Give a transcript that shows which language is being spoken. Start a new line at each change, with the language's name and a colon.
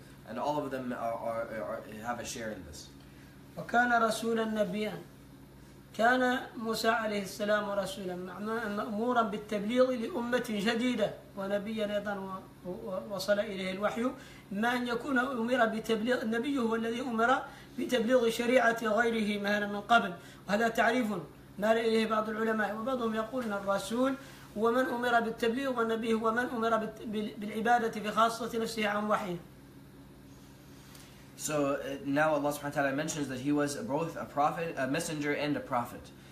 English: And all of them are have a share in this.
Arabic: وكان رسولا نبيا كان موسى عليه السلام رسولا مأمورا بالتبليغ لأمة جديدة ونبيا أيضا وصل إليه الوحي ما أن يكون أمر بتبليغ النبي هو الذي أمر بتبليغ شريعة غيره مهلا من قبل وهذا تعريف ما إليه بعض العلماء وبعضهم يقول أن الرسول هو من أمر بالتبليغ والنبي هو من أمر بالعبادة بخاصة نفسه عن وحيه.
English: So now Allah subhanahu wa ta'ala mentions that he was both a prophet, a messenger, and a prophet.